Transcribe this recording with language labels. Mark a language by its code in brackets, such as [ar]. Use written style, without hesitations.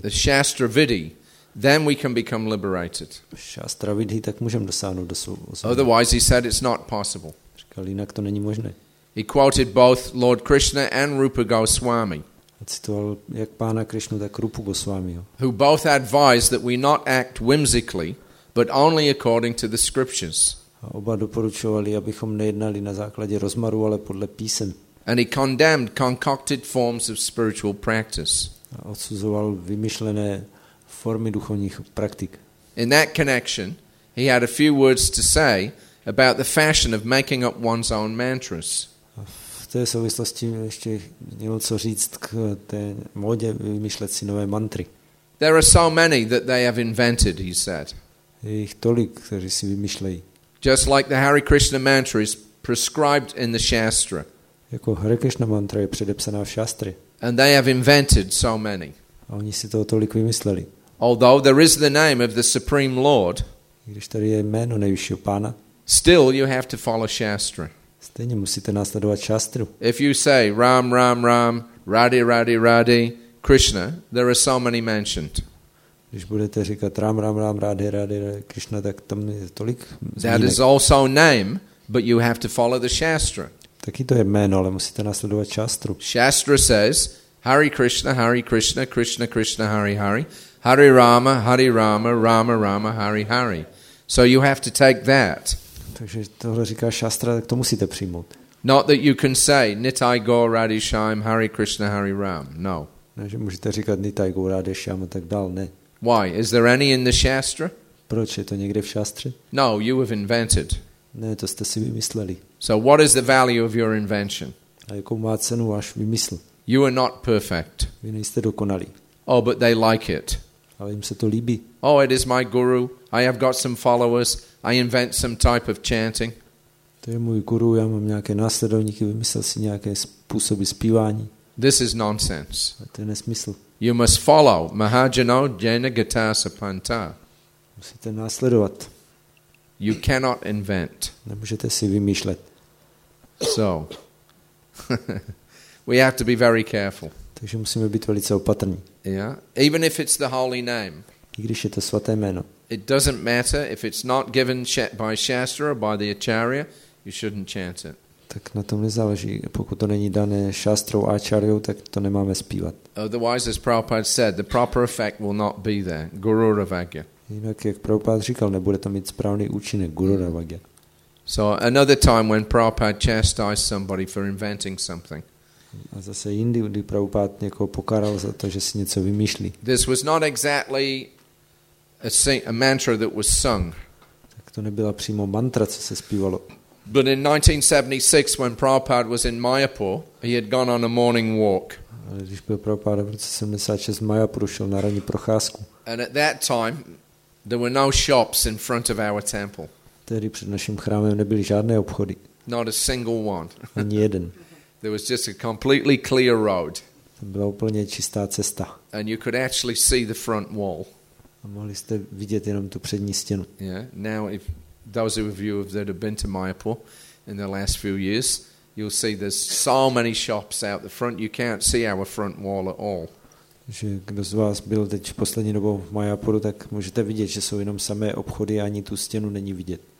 [en] The Shastra Vidhi, then we can become liberated. [cs] Shastra Vidhi, tak můžeme dosáhnout do svou osvobození. [en] Otherwise he said it's not possible. [cs] Říkal, jinak to není možné. [en] He quoted both Lord Krishna and Rupa Goswami. [cs] Citoval jak pána Krishnu, tak Rupu Goswamiho. [en] Who both advised that we not act whimsically, but only according to the scriptures. [cs] A oba doporučovali, abychom nejednali na základě rozmaru, ale podle písem. [en] And he condemned concocted forms of spiritual practice. [cs] A odsuzoval vymyšlené formy duchovních praktik. [en] In that connection, he had a few words to say about the fashion of making up one's own mantras. [cs] V té souvislosti ještě měl co říct k té modě vymýšlet si nové mantry. [en] There are so many that they have invented, he said. [cs] Je jich tolik, kteří si vymýšlejí. [en] Just like the Hare Krishna mantra is prescribed in the Shastra. [cs] Jako Hare Krishna mantra je předepsaná v Šastri. [en] And they have invented so many. [cs] A oni si toho tolik vymysleli. [en] Although there is the name of the Supreme Lord, [cs] když tady je jméno nejvyššího pána, [en] still you have to follow Shastra. [cs] Stejně musíte následovat šastru. [en] If you say Ram Ram Ram, Radhe Radhe Radhe, Krishna, there are so many mentioned. [cs] Když budete říkat Ram Ram Ram, Radhe Radhe Radhe, Krishna, tak tam je tolik zmínek. [en] That is also name, but you have to follow the Shastra. [cs] Taky to je jméno, ale musíte následovat šastru. [en] Shastra says Hare Krishna, Hare Krishna, Krishna Krishna, Hare Hare, Hare Rama, Hare Rama, Rama Rama, Hare Hare. So you have to take that. [cs] Takže tohle říká šastra, tak to musíte přijmout. [en] Not that you can say Nitai Gaur Radhe Shyam Hare Krishna Hare Ram. No. [cs] Ne, že můžete říkat Nitai Gaur Radhe Shyam a tak dál, ne. [en] Why? Is there any in the Shastra? [cs] Proč je to někde v šastře? [en] No, you have invented. [cs] Ne, to jste si vymysleli. [en] So what is the value of your invention? [cs] A jakou má cenu váš vymysl? [en] You are not perfect. [cs] Vy nejste dokonalí. [en] Oh, but they like it. [cs] Ale jim se to líbí. [en] Oh, it is my guru. I have got some followers. I invent some type of chanting. [cs] To je můj guru, já mám nějaké následovníky, vymyslel si nějaké způsoby zpívání. [en] This is nonsense. [cs] A to je nesmysl. [en] You must follow [sa] Mahajano Jena Gata Sapanta. [cs] Musíte následovat. [en] You cannot invent. [cs] Nemůžete si vymýšlet. [en] So, we have to be very careful. [cs] Takže musíme být velice opatrní. [en] Yeah, even if it's the holy name. [cs] I když je to svaté jméno. [en] It doesn't matter if it's not given by Shastra or by the Acharya, you shouldn't chant it. [cs] Tak na tom nezáleží. Pokud to není dané Shastrou a Acharyou, tak to nemáme zpívat. [en] Otherwise, as Prabhupada said, the proper effect will not be there. Guru Ravagya. [cs] Jinak, jak Prabhupada říkal, nebude to mít správný účinek. Guru Ravagya. [en] So another time when Prabhupada chastised somebody for inventing something. [cs] A zase jindy, kdy Prabhupada někoho pokaral za to, že si něco vymýšlí. [en] This was not exactly a mantra that was sung. [cs] Tak to nebyla přímo mantra, co se zpívalo. [en] But in 1976, when Prabhupada was in Mayapur, he had gone on a morning walk. [cs] Ale když byl Prabhupada v roce 76 v Mayapuru, šel na ranní procházku. [en] And at that time, there were no shops in front of our temple. [cs] Tehdy před naším chrámem nebyly žádné obchody. [en] Not a single one. [cs] Ani jeden. [en] There was just a completely clear road. [cs] To byla úplně čistá cesta. [en] And you could actually see the front wall. [cs] A mohli jste vidět jenom tu přední stěnu. [en] Yeah. Now, if those of you that have been to Mayapur in the last few years, you'll see there's so many shops out the front, you can't see our front wall at all. [cs] Že kdo z vás byl teď v poslední dobou v Mayapuru, tak můžete vidět, že jsou jenom samé obchody a ani tu stěnu není vidět.